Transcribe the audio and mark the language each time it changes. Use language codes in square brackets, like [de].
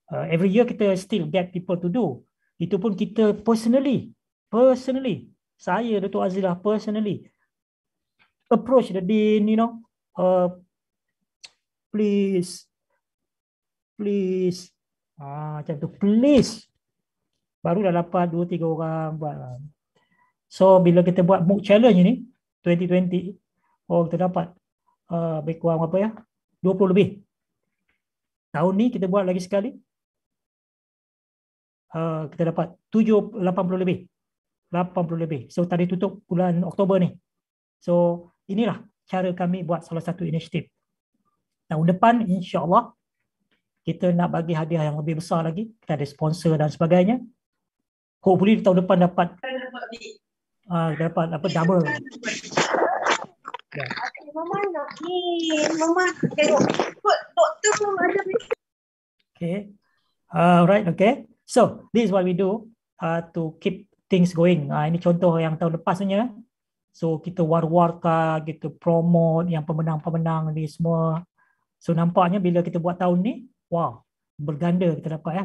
[en] Every year kita still get people to do. Itu pun kita personally, personally, saya, Dato' Azilah, personally approach the dean, you know, please, please, macam tu, please. [ms] Baru dah dapat 2-3 orang buat. So, bila kita buat Mooc challenge ni, 2020, oh, kita dapat lebih kurang apa ya, 20 lebih. Tahun ni kita buat lagi sekali, kita dapat 80 lebih. 80 lebih. So tadi tutup bulan Oktober ni. So inilah cara kami buat salah satu inisiatif. Tahun depan insyaAllah kita nak bagi hadiah yang lebih besar lagi. Kita ada sponsor dan sebagainya. Hopefully tahun depan dapat dapat apa, double. Ya. [en] Yeah. Okay. So, this is what we do to keep things going. [ms] Ini contoh yang tahun lepas punya. So, kita war-warkan, kita promote yang pemenang-pemenang ni semua. So, nampaknya bila kita buat tahun ni, wow, berganda kita dapat.